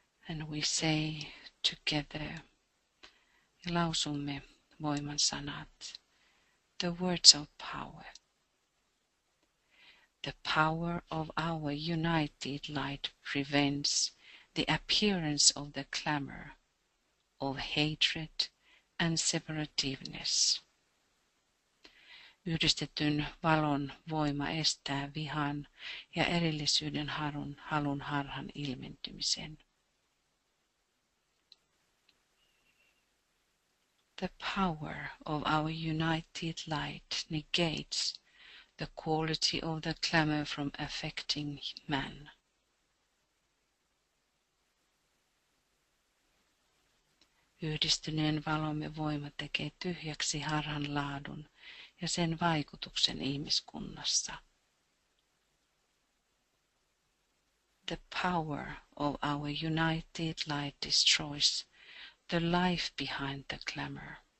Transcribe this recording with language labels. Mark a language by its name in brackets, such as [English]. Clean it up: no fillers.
[English] And we say together, [Finnish] lausumme voiman sanat, [English] the words of power, the power of our united light prevents the appearance of the clamor of hatred and separativeness. [Finnish] Yhdistetyn valon voima estää vihan ja erillisyyden halun harhan ilmentymisen. [English] The power of our united light negates the quality of the clamor from affecting man. [Finnish] Yhdistyneen valomme voima tekee tyhjäksi harhan laadun ja sen vaikutuksen ihmiskunnassa. [English] The power of our united light destroys the life behind the glamour.